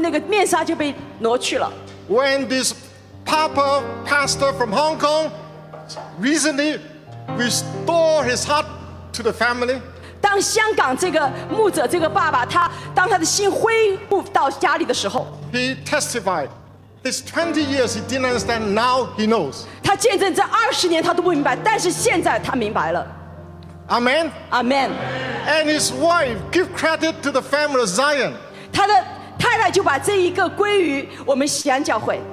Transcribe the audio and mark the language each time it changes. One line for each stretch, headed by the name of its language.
English: When this Papa pastor from Hong Kong recently restored his heart to the family,
Chinese: 当香港这个牧者这个爸爸，他当他的心恢复到家里的时候，
English: he testified, this 20 years he didn't understand, now he knows.
Chinese: 他见证这20年他都不明白，但是现在他明白了。
English: Amen. Amen. And his wife give credit to the family of Zion.
Chinese: 他的太太就把这一个归于我们西安教会。